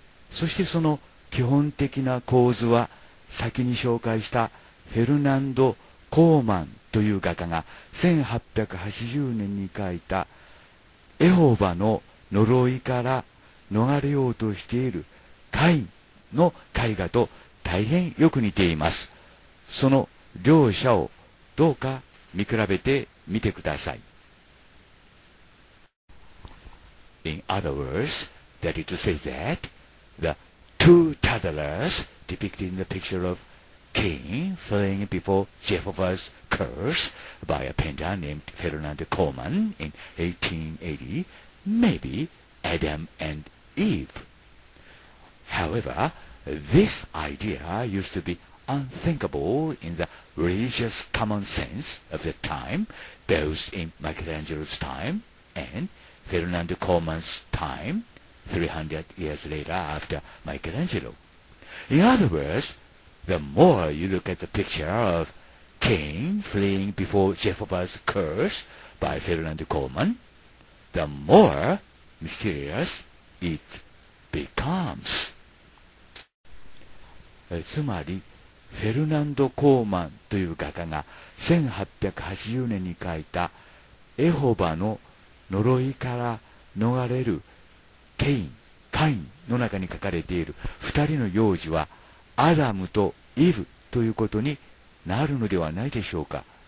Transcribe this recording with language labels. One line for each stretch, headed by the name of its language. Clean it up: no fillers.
Japanese: そしてその基本的な構図は、先に紹介したフェルナンド・コーマンという画家が1880年に描いたエホバの呪いから逃れようとしているカインの絵画と大変よく似ています。その両者をどうか見比べてみてください。
English: In other words, that is to say that the two toddlers depicted in the picture of Cain fleeing before Jehovah's curse by a painter named Fernand Coleman in 1880 may be Adam and Eve. However, this idea used to beUnthinkable in the religious common sense of the time, both in Michelangelo's time and Fernand Coleman's time, 300 years later after Michelangelo. In other words, the more you look at the picture of Cain fleeing before Jehovah's curse by Fernand Coleman, the more mysterious it becomes.
Japanese: つまりフェルナンド・コーマンという画家が1880年に描いたエホバの呪いから逃れるケイン、カインの中に描かれている二人の幼児はアダムとイブということになるのではないでしょうか。